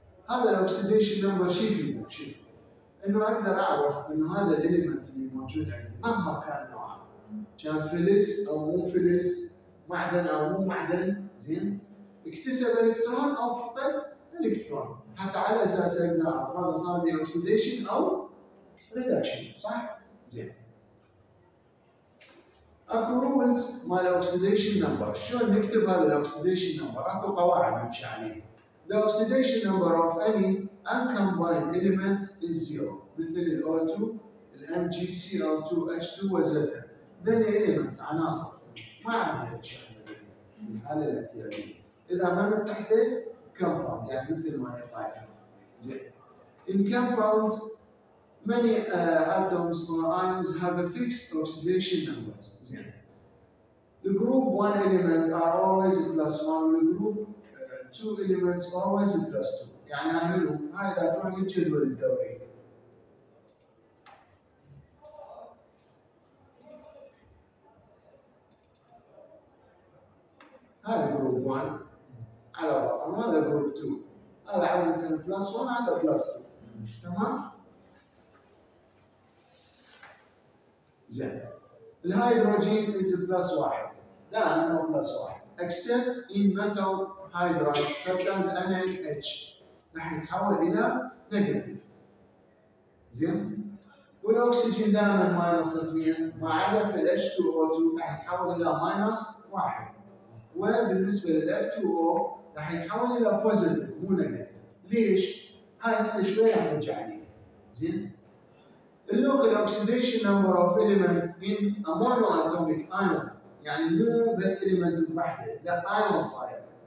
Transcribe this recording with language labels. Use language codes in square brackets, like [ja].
[ar] هذا الأوكسيديشن نمبر شيء في المبشي إنه أقدر أعرف إن هذا الإلمنت اللي موجود عندي مهما كان نوعه، كان فلس أو مو فلس، معدن أو مو معدن، زين اكتسب إلكترون أو فقد إلكترون، حتى على أساس أقدر أعرف هذا صار لي أوكسيديشن أو ريداكشن، صح؟ زين. أكو رولز مال الأوكسيديشن نمبر، شلون نكتب هذا الأوكسيديشن نمبر؟ أكو قواعد نمشي عليها. [en] The oxidation number of any uncombined element is zero. [ar] مثل الـ O2, الـ Mg, Cl2, H2 وزده. [en] Then elements, عناصر. [ar] ما عندها إيش عندنا على الاعتيادية. إذا ما متحدة compound يعني مثل ما يطايفه. زين. [en] In compounds, many atoms or ions have a fixed oxidation numbers. [ar] زين. [en] The group one element are always plus one. The group two elements always plus two. [ar] يعني اعملوا هاي اذا تروح للجدول الدوري. هاي جروب 1 على الرقم، هذا جروب 2، هذا عاده بلس 1 هذا بلس 2. تمام؟ زين. الهيدروجين is بلس 1. لا انه بلس 1. [en] Except in metal hydrides such as NaNH. [ar] راح يتحول الى نيجاتيف. زين؟ والاكسجين دائما ماينس 2 ما عدا في ال H2O2 راح يتحول الى ماينس 1. وبالنسبه لل F2O راح يتحول الى بوزيتيف مو نيجاتيف. ليش؟ هاي هسه شوي راح نرجع عليها. زين؟ [en] اللوكال oxidation number of element in a mono atomic ion [ar] يعني مو بس اليمنت وحده لا ايون صاير.